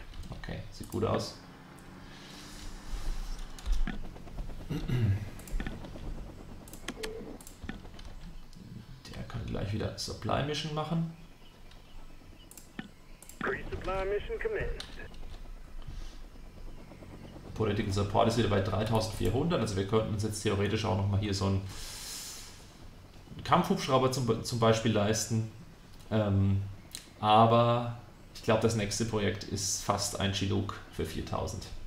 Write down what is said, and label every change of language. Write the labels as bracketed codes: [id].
[de] Okay, sieht gut aus. Der kann gleich wieder Supply Mission machen. [en] Resupply Mission commenced. [de] Political Support ist wieder bei 3400, also wir könnten uns jetzt theoretisch auch nochmal hier so einen Kampfhubschrauber zum Beispiel leisten. Aber ich glaube, das nächste Projekt ist fast ein Chinook für 4000.